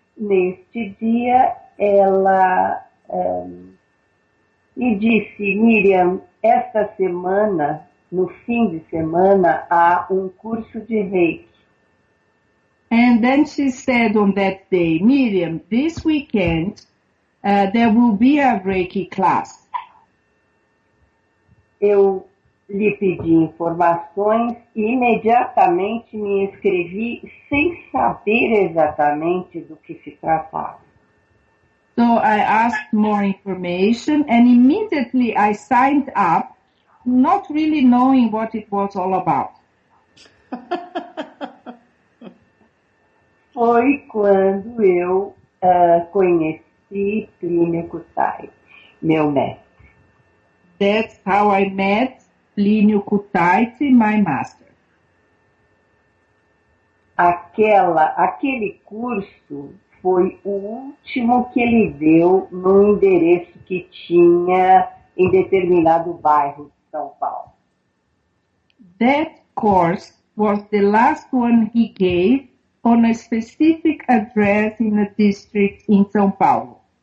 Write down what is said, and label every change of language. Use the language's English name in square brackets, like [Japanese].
[Portuguese] neste dia, ela me disse: Miriam, esta semana, no fim de semana, há um curso de Reiki. [English] And then she said on that day, Miriam, this weekend, there will be a Reiki class. [Portuguese] Eu lhe pedi informações e imediatamente me inscrevi sem saber exatamente do que se tratava. [English] So I asked more information and immediately I signed up, not really knowing what it was all about. [Portuguese] Foi quando eu conheci Plínio Cutai, meu mestre. [English] That's how I met Plínio Cutaiti, my master. [Portuguese] Aquele curso foi o último que ele deu no endereço que tinha em determinado bairro de São Paulo. [English] That course was the last one he gave on a specific address in a district in São Paulo.